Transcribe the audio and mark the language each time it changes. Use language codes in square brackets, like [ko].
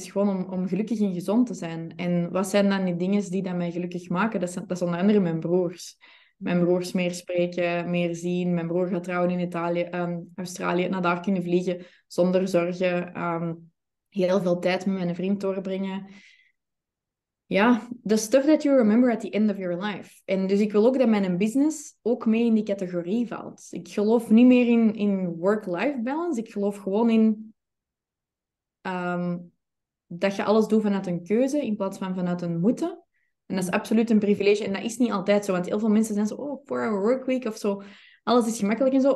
[nl] Is gewoon om gelukkig en gezond te zijn. En wat zijn dan die dingen die dat mij gelukkig maken? Dat is onder andere mijn broers. Mijn broers meer spreken, meer zien. Mijn broer gaat trouwen in Italië, Australië. Naar daar kunnen vliegen zonder zorgen. Heel veel tijd met mijn vriend doorbrengen. [en] Ja, the stuff that you remember at the end of your life. [nl] En dus ik wil ook dat mijn business ook mee in die categorie valt. Ik geloof niet meer in work-life balance. Ik geloof gewoon in dat je alles doet vanuit een keuze in plaats van vanuit een moeten. En dat is absoluut een privilege. En dat is niet altijd zo. Want heel veel mensen zijn zo, oh, 4-hour work week of zo. Alles is gemakkelijk en zo.